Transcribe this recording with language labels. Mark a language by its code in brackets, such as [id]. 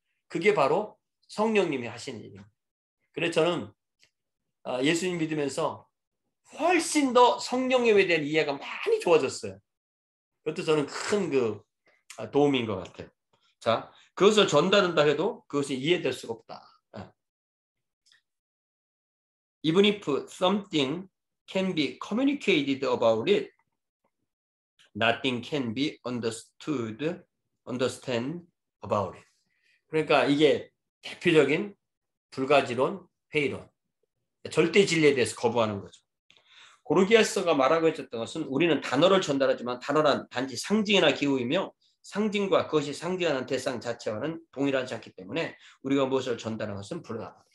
[ko] 그게 바로 성령님이 하시는 일이에요. 그래서 저는 예수님 믿으면서 훨씬 더 성령님에 대한 이해가 많이 좋아졌어요. 그것도 저는 큰 그 도움인 것 같아요. 자, 그것을 전달한다 해도 그것이 이해될 수가 없다. [en] Even if something can be communicated about it, nothing can be understand about it. [ko] 그러니까 이게 대표적인 불가지론, 회의론, 절대 진리에 대해서 거부하는 거죠. 고르기아스가 말하고 있었던 것은 우리는 단어를 전달하지만 단어란 단지 상징이나 기호이며 상징과 그것이 상징하는 대상 자체와는 동일하지 않기 때문에 우리가 무엇을 전달하는 것은 불가능합니다.